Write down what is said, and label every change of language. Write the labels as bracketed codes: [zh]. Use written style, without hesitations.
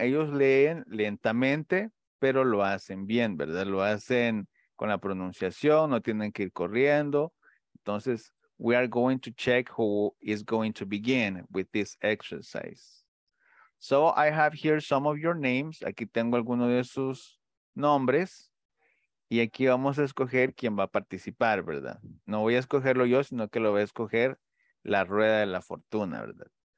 [es] Ellos leen lentamente, pero lo hacen bien, ¿verdad? Lo hacen con la pronunciación, no tienen que ir corriendo. [en] Entonces, we are going to check who is going to begin with this exercise. So I have here some of your names. [es] Aquí tengo algunos de sus nombres. Y aquí vamos a escoger quién va a participar, ¿verdad? No voy a escogerlo yo, sino que lo voy a escoger la rueda de la fortuna, ¿verdad?